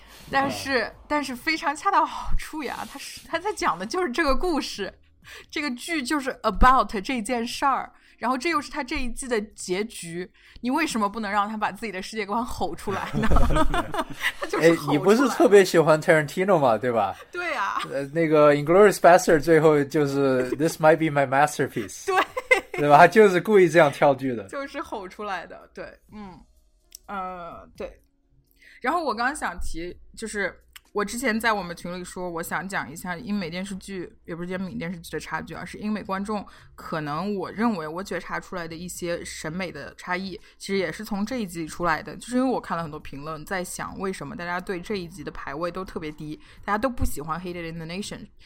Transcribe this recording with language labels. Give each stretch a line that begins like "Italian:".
Chinese: 但是、嗯、但是非常恰到好处呀，他在讲的就是这个故事，这个剧就是 about 这件事儿，然后这又是他这一季的结局，你为什么不能让他把自己的世界观吼出来呢？他就是吼出来。你不是特别喜欢 Tarantino 吗？对吧？对啊。那个
English: Inglourious Basterds
Chinese: 最后就是
English: This might be my masterpiece。
Chinese: 对。对吧？他就是故意这样跳剧的。就是吼出来的，对，嗯，对。然后我刚想提，就是我之前在我们群里说，我想讲一下英美电视剧，也不是英美电视剧的差距，而是英美观众可能我认为我觉察出来的一些审美的差异，其实也是从这一集出来的。就是因为我看了很多评论，在想为什么大家对这一集的排位都特别低，大家都不喜欢《Hated in the Nation》。